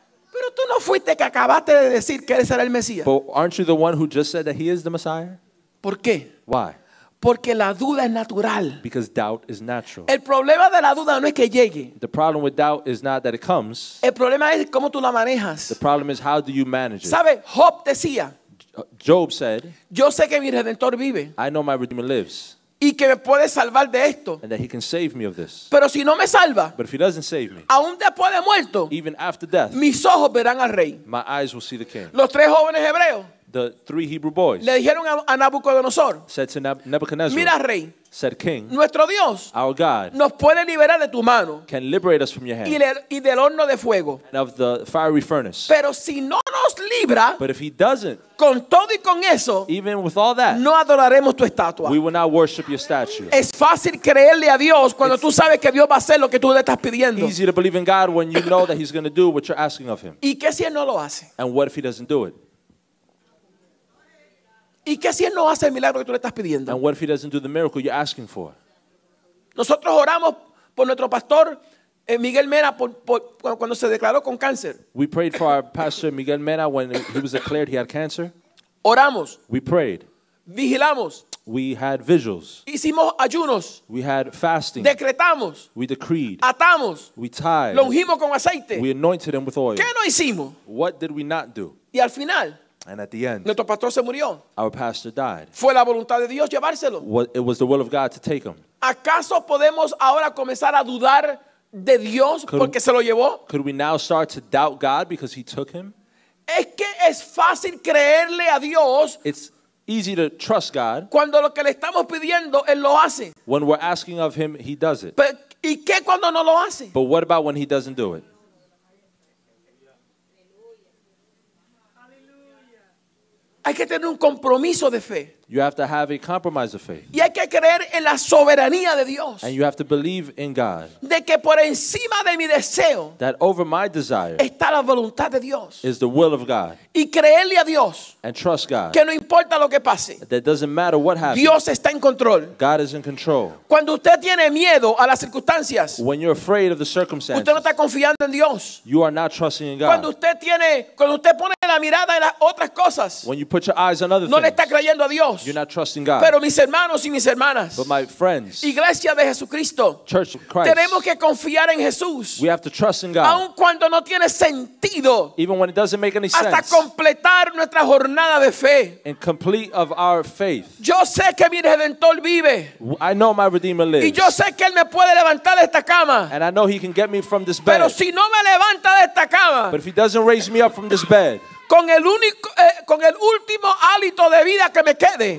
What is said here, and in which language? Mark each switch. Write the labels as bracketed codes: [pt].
[es] Pero tú no fuiste que acabaste de decir que él será el Mesías. [en] But aren't you the one who just said that he is the Messiah? [es] ¿Por qué? [en] Why? [es] Porque la duda es natural. [en] Because doubt is natural. [es] El problema de la duda no es que llegue. [en] The problem with doubt is not that it comes. [es] El problema es cómo tú la manejas. [en] The problem is how do you manage it. [es] ¿Sabe? Job decía. [en] Job said. [es] Yo sé que mi Redentor vive. [en] I know my Redeemer lives. [es] Y que me puede salvar de esto. [en] And that he can save me of this. [es] Pero si no me salva. [en] But if he doesn't save me. [es] Aún después de muerto. [en] Even after death. [es] Mis ojos verán al rey. [en] My eyes will see the king. [es] Los tres jóvenes hebreos. [en] The three Hebrew boys [es] le dijeron a Nabucodonosor, [en] said to Nebuchadnezzar, [es] mira, rey, [en] said king, [es] nuestro Dios, [en] our God, [es] nos puede liberar de tu mano, [en] can liberate us from your hand, [es] y del horno de fuego, [en] and of the fiery furnace. [es] Pero si no nos libra, [en] but if he doesn't, [es] con todo y con eso, [en] even with all that, [es] no adoraremos tu estatua. [en] We will not worship your statue. [es] Es fácil creerle a Dios cuando tú sabes que Dios va a hacer lo que tú le estás pidiendo. [en] Easy to believe in God when you know that he's going to do what you're asking of him. [es] ¿Y qué si él no lo hace? [en] And what if he doesn't do it? [es] ¿Y qué si él no hace el milagro que tú le estás pidiendo? [en] And what if he doesn't do the miracle you're asking for? [es] Nosotros oramos por nuestro pastor Miguel Mena cuando se declaró con cáncer. [en] We prayed for our pastor Miguel Mena when he was declared he had cancer. [es] Oramos. [en] We prayed. [es] Vigilamos. [en] We had vigils. [es] Hicimos ayunos. [en] We had fasting. [es] Decretamos. [en] We decreed. [es] Atamos. [en] We tied. [es] Lo ungimos con aceite. [en] We anointed him with oil. [es] ¿Qué no hicimos? [en] What did we not do? [es] Y al final. [en] And at the end, [es] nuestro pastor se murió. [en] Our pastor died. [es] Fue la voluntad de Dios llevárselo. [en] It was the will of God to take him. [es] ¿Acaso podemos ahora comenzar a dudar de Dios porque se lo llevó? [en] Could we now start to doubt God because he took him? [es] Es que es fácil creerle a Dios. [en] It's easy to trust God. [es] Cuando lo que le estamos pidiendo, él lo hace. [en] When we're asking of him, he does it. [es] Pero, ¿y qué cuando no lo hace? [en] But what about when he doesn't do it? [es] Hay que tener un compromiso de fe. [en] You have to have a compromise of faith. [es] Y hay que creer en la soberanía de Dios. [en] And you have to believe in God. [es] De que por encima de mi deseo, [en] that over my desire, [es] está la voluntad de Dios. [en] Is the will of God. [es] Y creerle a Dios. [en] And trust God. [es] Que no importa lo que pase. [en] That doesn't matter what happens. [es] Dios está en control. [en] God is in control. [es] Cuando usted tiene miedo a las circunstancias, [en] when you're afraid of the circumstances, [es] usted no está confiando en Dios. [en] You are not trusting in God. [es] Cuando usted pone la mirada en las otras cosas, [en] when you put your eyes on other [es] no [en] things, [es] le está creyendo a Dios. [en] You're not trusting God. [es] Pero mis hermanos y mis hermanas, [en] but my friends, [es] Iglesia de Jesucristo, [en] Church of Christ, [es] tenemos que confiar en Jesús. [en] We have to trust in God. [es] Aun cuando no tiene sentido, [en] even when it doesn't make any [es] hasta [en] sense, [es] completar nuestra jornada de fe. [en] And complete of our faith. [es] Yo sé que mi Redentor vive. [en] I know my Redeemer lives. [es] Y yo sé que él me puede levantar de esta cama. [en] And I know he can get me from this [es] pero [en] bed. [es] Si no me levanta de esta cama, [en] but if he doesn't raise me up from this bed, [es] con el último hálito de vida que me quede,